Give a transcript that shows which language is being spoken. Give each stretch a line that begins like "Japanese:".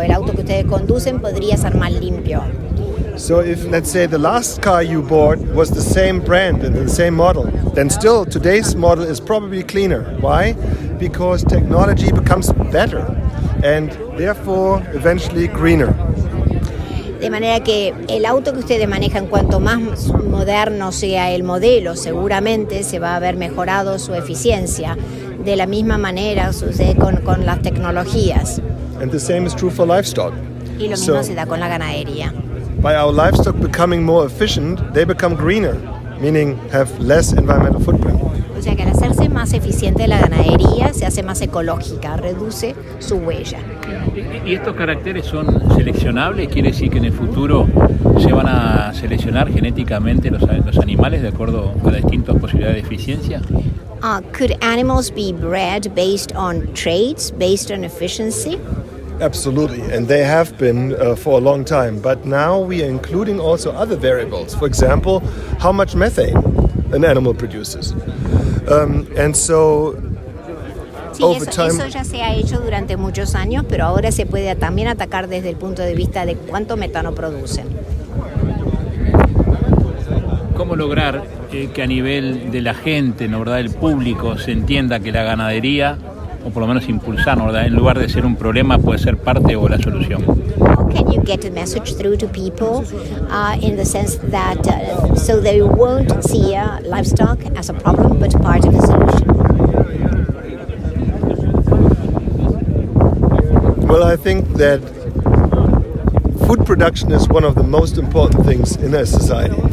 Spanish: El auto que ustedes conducen podría ser más limpio.
English: So if, let's say, the last car you bought was the same brand and the same model, then still today's model is probably cleaner. Why? Because technology becomes better and therefore eventually greener.
Spanish: De manera que el auto que ustedes manejan, cuanto más moderno sea el modelo, seguramente se va a haber mejorado su eficiencia. De la misma manera sucede con las tecnologías.
English: And the same is true for livestock.
Spanish: Y lo mismo se da con la ganadería.
English: By our livestock becoming more efficient, they become greener, meaning have less environmental footprint.
Spanish: O sea que al hacerse más eficiente la ganadería, se hace más ecológica, reduce su huella. ¿Y estos caracteres son seleccionables? ¿Quiere decir que en el futuro se van a seleccionar genéticamente los animales de acuerdo a distintas posibilidades de eficiencia?
English: Could animals be bred based on traits, based on efficiency? Absolutely, and they have been for a long time. But now we are including also other variables. For example, how much methane an animal produces.
Spanish: Eso ya se ha hecho durante muchos años, pero ahora se puede también atacar desde el punto de vista de cuánto metano producen. ¿Cómo lograr que a nivel de la gente, ¿no, verdad?, el público, se entienda que la ganadería, o por lo menos impulsar, ¿no, verdad?, en lugar de ser un problema, puede ser parte o la solución?
English: How can you get the message through to people in the sense that so they won't see livestock as a problem but part of the solution. Well, I think that food production is one of the most important things in a society.